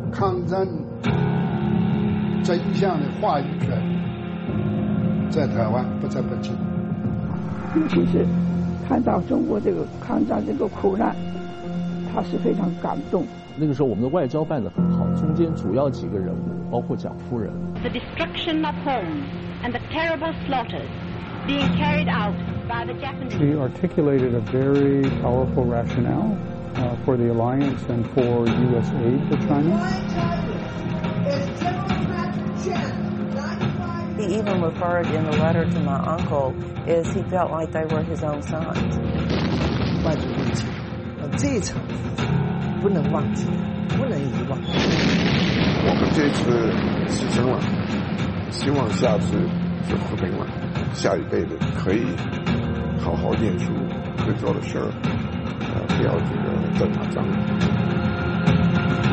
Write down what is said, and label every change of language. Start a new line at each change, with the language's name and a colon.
Chinese: 抗战这一项的话语权在台湾不在北京，尤其是看到中国这个抗战这个苦难，他是非常感动。那个时候我们的外交办得很好，中间主要几个人物包括蒋夫人。
English: The destruction of homes and the terrible slaughters being carried outShe articulated a very powerful rationale for the alliance and for U.S. aid to China. He even referred in the letter to my uncle as he felt like they were his own sons.
Chinese: 外族问题，这一层不能忘记，不能遗忘。我们这次牺牲了，希望下次是和平了，下一辈子可以。好好念书，会做的事儿，不要这个再打仗。